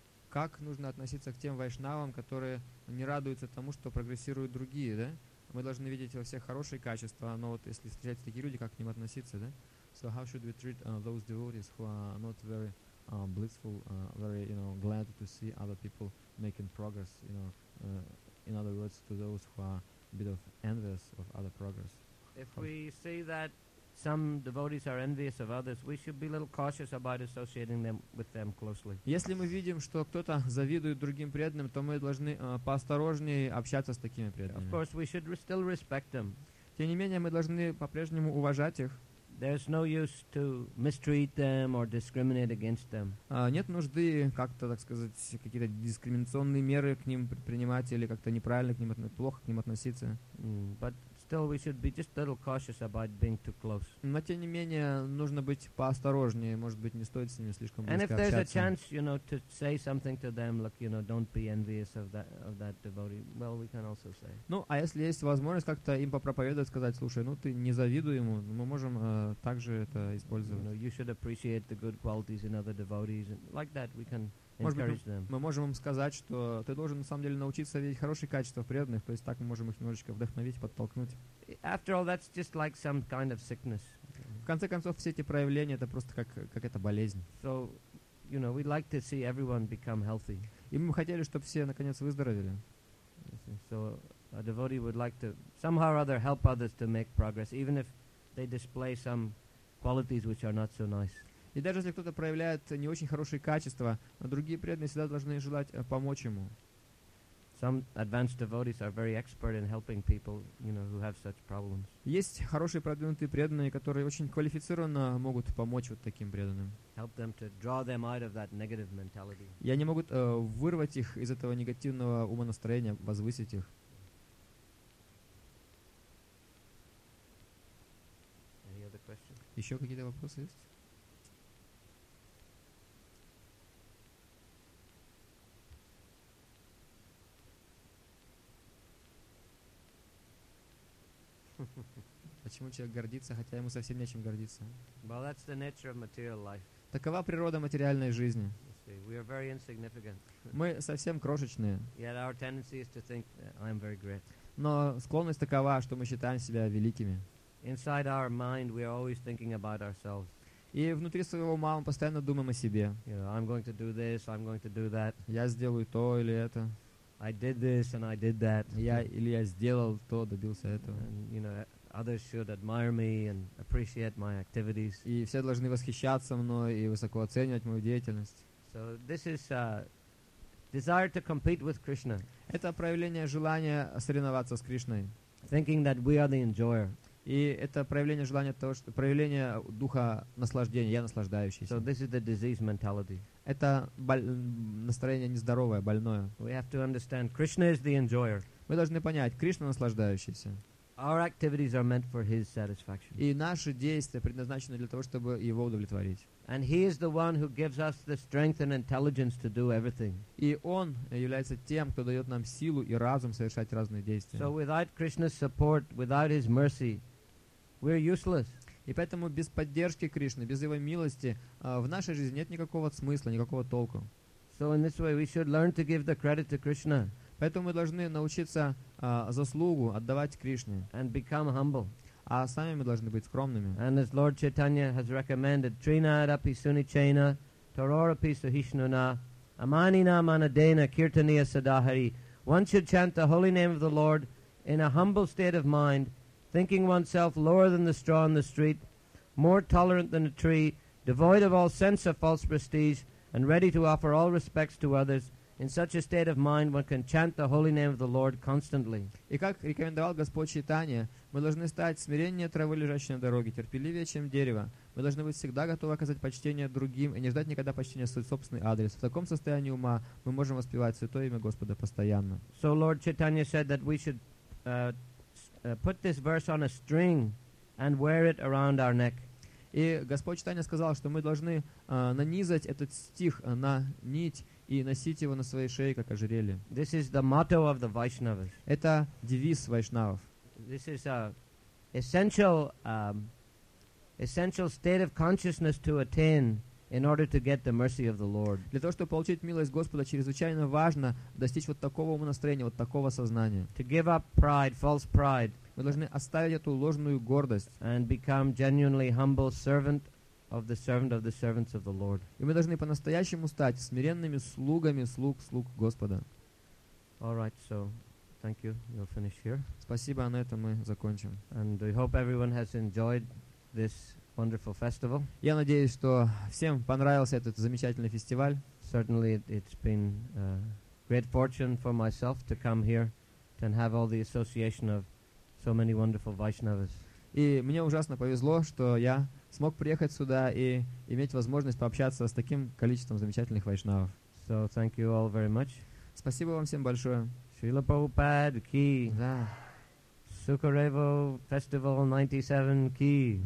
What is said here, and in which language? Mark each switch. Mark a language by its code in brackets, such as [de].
[ru] как нужно относиться к тем вайшнавам, которые не радуются тому, что прогрессируют другие, да? Мы должны видеть во всех хорошие качества, но вот если встречаются такие люди, как к ним относиться, да? [en] So how should we treat those devotees who are not very blissful, very, you know, glad to see other people making progress, you know, in other words, to those who are a bit of envious of other progress? If we see that some devotees are envious of others, we should be a little cautious about associating them with them closely. [ru] Если мы видим, что кто-то завидует другим преданным, то мы должны поосторожнее общаться с такими преданными. [en] Of course, we should still respect them. [ru] Тем не менее, мы должны по-прежнему уважать их. [en] There's no use to mistreat them or discriminate against them. [ru] Нет нужды как-то, так сказать, какие-то дискриминационные меры к ним предпринимать или как-то неправильно к ним, плохо к ним относиться. [en] But still, we should be just a little cautious about being too close. [ru] Но тем не менее, нужно быть поосторожнее, может быть, не стоит с ними слишком близко общаться. [en] And if there's a chance, you know, to say something to them, like, you know, don't be envious of that devotee, well, we can also say. [ru] Ну, а если есть возможность как-то им попроповедовать, сказать, слушай, ну ты не завидуй ему, мы можем также это использовать. [en] You know, you should appreciate the good qualities in other devotees, and like that, we can. [ru] Может быть, мы можем им сказать, что ты должен на самом деле научиться видеть хорошие качества в преданных, то есть так мы можем их немножечко вдохновить, подтолкнуть. [en] After all, that's just like some kind of sickness. [ru] В конце концов, все эти проявления — это просто как какая-то болезнь. [en] So, you know, we'd like to see everyone become healthy. [ru] И мы хотели, чтобы все наконец выздоровели. [en] So a devotee would like to somehow or other help others to make progress, even if they display some qualities which are not so nice. [ru] И даже если кто-то проявляет не очень хорошие качества, другие преданные всегда должны желать помочь ему. [en] Some advanced devotees are very expert in helping people, you know, who have such problems. [ru] Есть хорошие продвинутые преданные, которые очень квалифицированно могут помочь вот таким преданным. [en] Help them to draw them out of that negative mentality. [ru] И они могут вырвать их из этого негативного умонастроения, возвысить их. [en] Any other question? [ru] Еще какие-то вопросы есть? Почему человек гордится, хотя ему совсем нечем гордиться? [en] Well, that's the nature of material life. [ru] Такова природа материальной жизни. [en] See, we are very insignificant. [ru] Мы совсем крошечные. [en] Yet our tendency is to think that I'm very great. [ru] Но склонность такова, что мы считаем себя великими. [en] Inside our mind, we are always thinking about ourselves. [ru] И внутри своего ума мы постоянно думаем о себе. [en] You know, I'm going to do this, I'm going to do that. [ru] Я сделаю то или это. [en] I did this and I did that. [ru] Я или я сделал то, добился этого. [en] And, you know, others should admire me and appreciate my activities. [ru] И все должны восхищаться мной и высоко оценивать мою деятельность. [en] So this is desire to compete with Krishna. [ru] Это проявление желания соревноваться с Кришной. [en] Thinking that we are the enjoyer. [ru] И это проявление желания того, что проявление духа наслаждения, я наслаждающийся. [en] So this is the disease mentality. [ru] Это настроение нездоровое, больное. [en] We have to understand Krishna is the enjoyer. [ru] Мы должны понять, Кришна наслаждающийся. [en] Our activities are meant for his satisfaction. [ru] И наши действия предназначены для того, чтобы его удовлетворить. [en] And he is the one who gives us the strength and intelligence to do everything. [ru] И он является тем, кто дает нам силу и разум совершать разные действия. [en] So without Krishna's support, without his mercy, we're useless. [ru] И поэтому без поддержки Кришны, без его милости, в нашей жизни нет никакого смысла, никакого толку. [en] So in this way we should learn to give the credit to Krishna. [ru] Поэтому мы должны научиться заслугу отдавать Кришне. [en] And become humble. [ru] А сами мы должны быть скромными. [en] And as Lord Chaitanya has recommended, [sa] Trinadapi Sunichena, Tororapi Sahishnuna, Amanina Manadena, Kirtaniya Sadahari. [en] One should chant the holy name of the Lord in a humble state of mind, thinking oneself lower than the straw in the street, more tolerant than a tree, devoid of all sense of false prestige, and ready to offer all respects to others. In such a state of mind, one can chant the holy name of the Lord constantly. [ru] И как рекомендовал Господь Чайтанья, мы должны стать смиреннее травы, лежащей на дороге, терпеливее, чем дерево. Мы должны быть всегда готовы оказать почтение другим и не ждать никогда почтения свой собственный адрес. В таком состоянии ума мы можем воспевать святое имя Господа постоянно. [en] So Lord Chaitanya said that we should put this verse on a string and wear it around our neck. [ru] И Господь Чайтанья сказал, что мы должны нанизать этот стих на нить и носить его на своей шее, как ожерелье. [en] This is the motto of the Vaishnavas. [ru] Это девиз вайшнавов. [en] This is a essential state of consciousness to attain in order to get the mercy of the Lord. [ru] Для того, чтобы получить милость Господа, чрезвычайно важно достичь вот такого настроения, вот такого сознания. [en] To give up pride, false pride. [ru] Мы должны оставить эту ложную гордость. [en] And become genuinely humble servant of the servant of the servants of the Lord. [ru] И мы должны по-настоящему стать смиренными слугами слуг слуг Господа. [en] All right, so thank you. We'll finish here. [ru] Спасибо, на этом мы закончим. [en] And we hope everyone has enjoyed this wonderful festival. [ru] Я надеюсь, что всем понравился этот замечательный фестиваль. [en] Certainly, it's been a great fortune for myself to come here and have all the association of so many wonderful Vaishnavas. [ru] И мне ужасно повезло, что я смог приехать сюда и иметь возможность пообщаться с таким количеством замечательных вайшнавов. [en] So thank you all very much. [ru] Спасибо вам всем большое. Шрила Прабхупад ки. Да. Сукхадева фестиваль 97 ки.